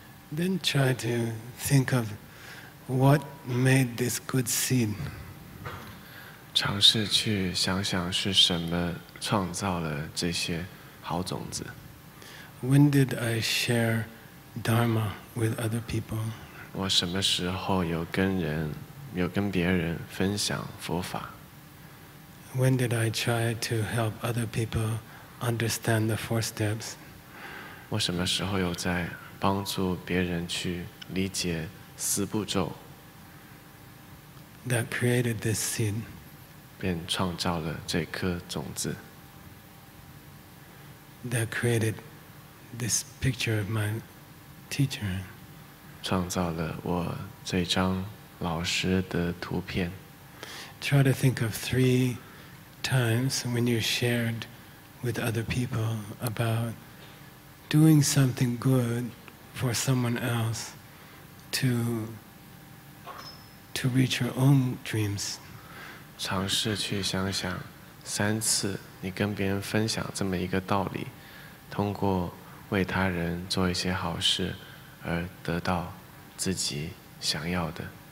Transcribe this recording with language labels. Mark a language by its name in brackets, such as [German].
[English] Then try to think of what made this good seed. [Chinese] 尝试去想想是什么创造了这些好种子。 [English] When did I share Dharma with other people? [Chinese] 我什么时候有跟别人分享佛法。 [English] When did I try to help other people understand the four steps? [Chinese] 我什么时候有在帮助别人去理解四步骤。 [English] that created this seed. [Chinese] 便创造了这颗种子。 [English] That created this picture of my teacher. [Chinese] 创造了我这张老师的图片。 [English] Try to think of three times when you shared with other people about doing something good for someone else to reach your own dreams. [Chinese] 尝试去想想三次你跟别人分享这么一个道理，通过为他人做一些好事而得到自己想要的。